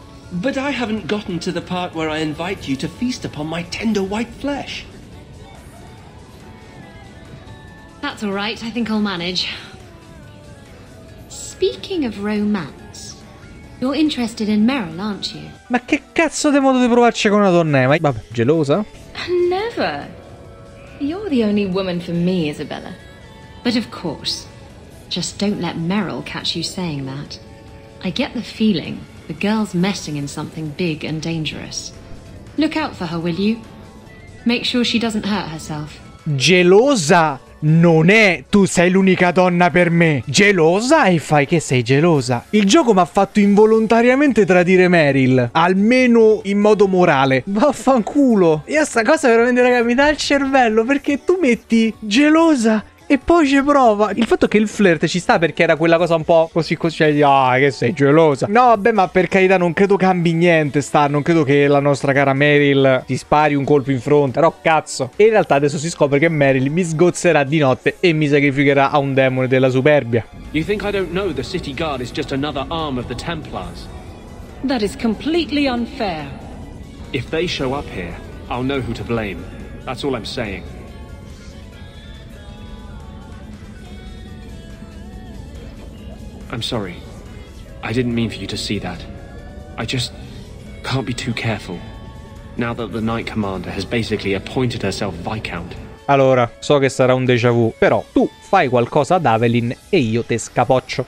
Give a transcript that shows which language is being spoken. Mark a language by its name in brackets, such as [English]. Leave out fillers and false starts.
[English] But I haven't gotten to the part where I invite you to feast upon my tender white flesh. That's all right, I think I'll manage. Speaking of romance, you're interested in Meryl, aren't you? [Italian] Ma che cazzo di modo di provarci con una donna, eh? Vabbè, gelosa? [English] Never. You're the only woman for me, Isabella. But of course, just don't let Meryl catch you saying that. I get the feeling the girl's messing in something big and dangerous. Look out for her, will you? Make sure she doesn't hurt herself. [Italian] Gelosa? Non è, tu sei l'unica donna per me. Gelosa? E fai che sei gelosa. Il gioco mi ha fatto involontariamente tradire Meryl, almeno in modo morale. Vaffanculo. Io sta cosa veramente, raga, mi dà il cervello. Perché tu metti gelosa e poi ci prova. Il fatto che il flirt ci sta perché era quella cosa un po' così così. Ah, cioè, oh, che sei gelosa. No, vabbè, ma per carità, non credo cambi niente, Star. Non credo che la nostra cara Meryl ti spari un colpo in fronte. Però cazzo. E in realtà adesso si scopre che Meryl mi sgozzerà di notte e mi sacrificherà a un demone della superbia. [English] You think I don't know the city guard is just another arm of the Templars? That is completely unfair. If they show up here, I'll know who to blame. That's all I'm saying. I'm sorry. I didn't mean for you to see that. I just can't be too careful. Now that the Night Commander has basically appointed herself Viscount. [Italian] Allora, so che sarà un déjà vu, però tu fai qualcosa ad Avelyn e io te scapoccio.